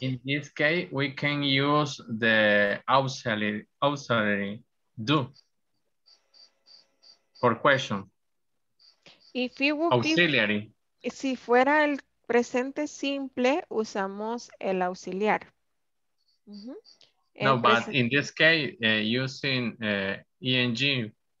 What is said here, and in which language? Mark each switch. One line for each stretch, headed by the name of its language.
English: In this case, we can use the auxiliary do for question. If it would auxiliary.
Spanish: Be, si fuera el presente simple, usamos el auxiliar.
English: Mm-hmm. No, but in this case, using ing.